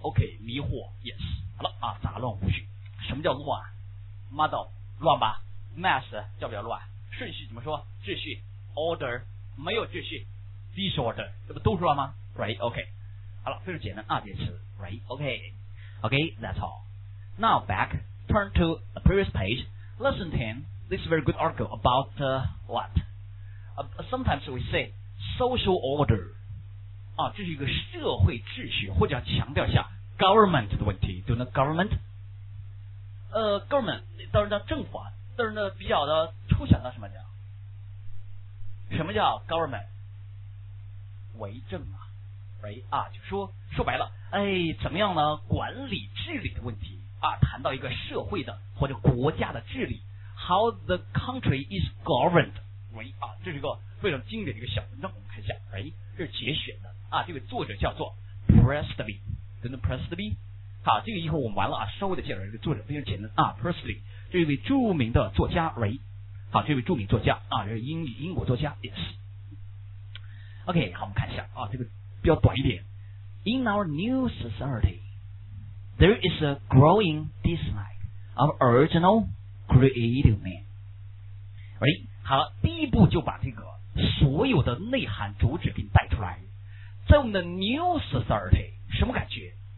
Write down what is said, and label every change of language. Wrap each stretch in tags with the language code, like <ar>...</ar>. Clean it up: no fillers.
<zh>OK， 迷惑 ，Yes。好了啊，杂乱无序。什么叫乱？ Muddle 乱吧 ，mess 叫不叫乱？顺序怎么说？秩序 order 没有秩序 ，disorder 这不都是乱吗 ？Right， OK， 好了，非常简单啊，这词 ，Right， OK， OK，</zh> <en>that's all。 Now back， turn to the previous page， lesson 10 This very good article about what？ Sometimes we say social order，</en> <zh>啊，这是一个社会秩序，或者要强调一下 government 的问题 ，</zh> <en>do you know government？</en> <zh>government 当然叫政府啊，但是呢比较的抽象的什么叫？什么叫 government？ 为政啊， right 啊，就说说白了，哎，怎么样呢？管理治理的问题啊，谈到一个社会的或者国家的治理 ，</zh> <en>how the country is governed，</en> <zh>right 啊，这是一个非常经典的一个小文章，我们看一下 ，right 这是节选的啊，这个作者叫做 Presley， 真的 Presley， 好，这个以后我们完了啊，稍微的介绍一个作者非常简单啊 ，Presley 这位著名的作家 ，right。好，这位著名作家啊，这是英国作家 ，yes。OK， 好，我们看一下啊，这个比较短一点。</zh> <en>In our new society, there is a growing dislike of original creative man. Right？</en> <zh>好，第一步就把这个所有的内涵主旨给你带出来。在我们的 new society， 什么感觉？</zh>